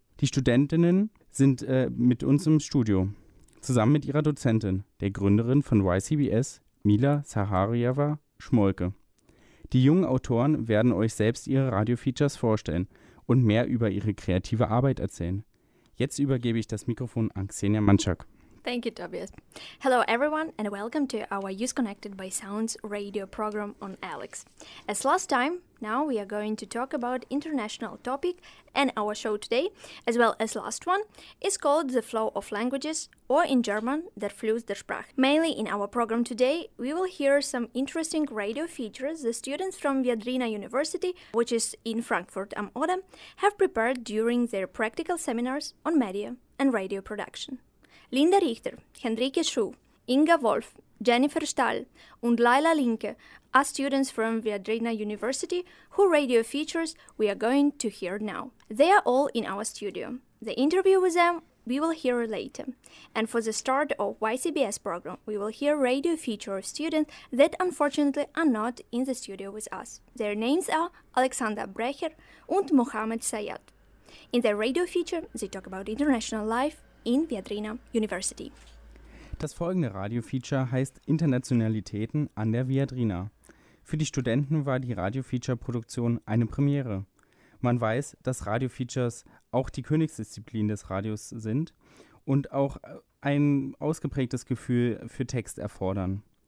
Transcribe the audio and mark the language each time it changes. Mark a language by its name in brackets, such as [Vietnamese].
[German] Die Studentinnen sind mit uns im Studio, zusammen mit ihrer Dozentin, der Gründerin von YCBS, Mila Zaharieva-Schmolke. Die jungen Autoren werden euch selbst ihre Radio-Features vorstellen und mehr über ihre kreative Arbeit erzählen. Jetzt übergebe ich das Mikrofon an Xenia Mantschak. [English] Thank you, Tobias. Hello everyone and welcome to our Youth Connected by Sounds radio program on Alex. As last time, now we are going to talk about international topic and our show today, as well as last one, is called The Flow of Languages or in German, Der Fluss der Sprache. Mainly in our program today, we will hear some interesting radio features the students from Viadrina University, which is in Frankfurt am Oder, have prepared during their practical seminars on media and radio production. Linda Richter, Henrike Schuh, Inga Wolf, Jennifer Stahl und Laila Linke are students from Viadrina University who radio features we are going to hear now. They are all in our studio. The interview with them we will hear later. And for the start of YCBS program, we will hear radio feature of students that unfortunately are not in the studio with us. Their names are Alexander Brecher und Mohamed Sayed. In their radio feature, they talk about international life in Viadrina University. [German] Das folgende Radio-Feature heißt Internationalitäten an der Viadrina. Für die Studenten war die Radio-Feature-Produktion eine Premiere. Man weiß, dass Radio-Features auch die Königsdisziplin des Radios sind und auch ein ausgeprägtes Gefühl für Text erfordern.